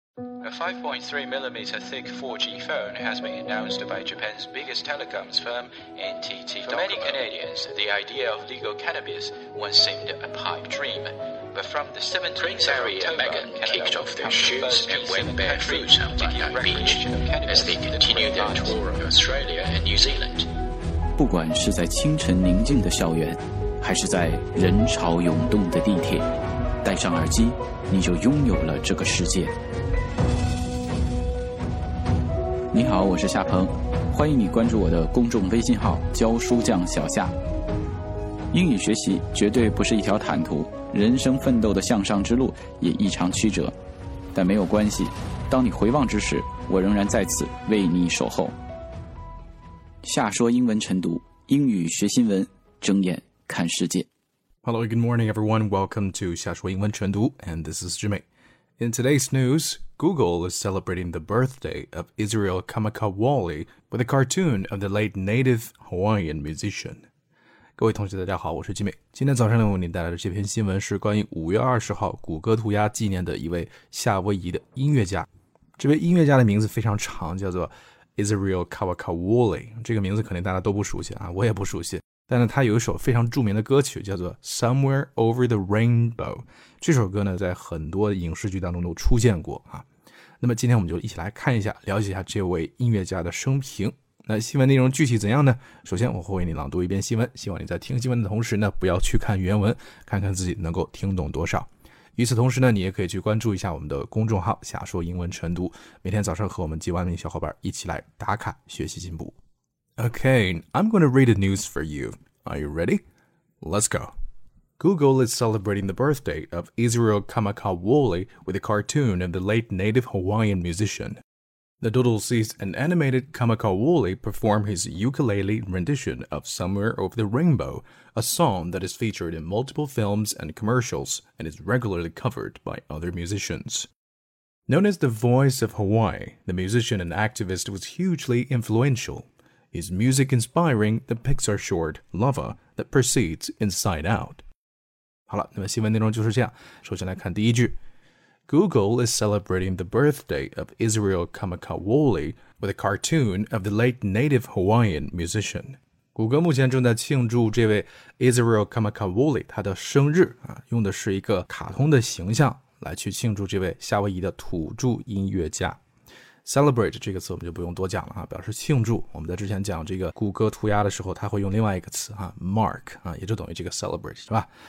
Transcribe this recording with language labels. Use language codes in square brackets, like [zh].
[en] A 5.3mm thick 4G phone has been announced by Japan's biggest telecoms firm, NTT Docomo. For many Canadians, the idea of legal cannabis once seemed a pipe dream. But from the 17th of October, Megan kicked off their shoes and went barefoot on Bondi Beach as they continued their tour of Australia and New Zealand. [zh] 不管是在清晨宁静的校园，还是在人潮涌动的地铁，戴上耳机，你就拥有了这个世界。你好，我是夏鹏，欢迎你关注我的公众微信号教书匠小夏。英语学习绝对不是一条坦途，人生奋斗的向上之路也异常曲折，但没有关系，当你回望之时，我仍然在此为你守候。夏说英文晨读，英语学新闻，睁眼看世界。 [en] Hello, good morning everyone. Welcome to 夏说英文晨读 and this is Jimmy. In today's news, Google is celebrating the birthday of Israel Kamakawali with a cartoon of the late native Hawaiian musician. [zh] 各位同学大家好，我是 Jimmy. 今天早上为您带来的这篇新闻是关于5月20号谷歌涂鸦纪念的一位夏威夷的音乐家。这位音乐家的名字非常长，叫做Israel Kawakawuli， 这个名字可能大家都不熟悉啊，我也不熟悉。但是他有一首非常著名的歌曲，叫做《Somewhere Over the Rainbow》。这首歌呢，在很多影视剧当中都出现过啊。那么今天我们就一起来看一下，了解一下这位音乐家的生平。那新闻内容具体怎样呢？首先，我会为你朗读一遍新闻，希望你在听新闻的同时呢，不要去看原文，看看自己能够听懂多少。与此同时呢，你也可以去关注一下我们的公众号夏说英文晨读，每天早上和我们几万名小伙伴一起来打卡学习进步。 [en] Okay, I'm going to read the news for you. Are you ready? Let's go. Google is celebrating the birthday of Israel Kamakawali with a cartoon of the late native Hawaiian musician. The doodle sees an animated Kamakawali perform his ukulele rendition of Somewhere Over the Rainbow,a song that is featured in multiple films and commercials and is regularly covered by other musicians. Known as the Voice of Hawaii, the musician and activist was hugely influential, his music inspiring the Pixar short Lover that precedes Inside Out. [zh] 好了，那么新闻内容就是这样。首先来看第一句。 [en] Google is celebrating the birthday of Israel Kamakawali with a cartoon of the late native Hawaiian musician. [zh] 谷歌目前正在庆祝这位 Israel Kamakawali 他的生日、啊、用的是一个卡通的形象来去庆祝这位夏威夷的土著音乐家。 Celebrate 这个词我们就不用多讲了、啊、表示庆祝。我们在之前讲这个谷歌涂鸦的时候，他会用另外一个词、啊、Mark、啊、也就等于这个 Celebrate 是吧。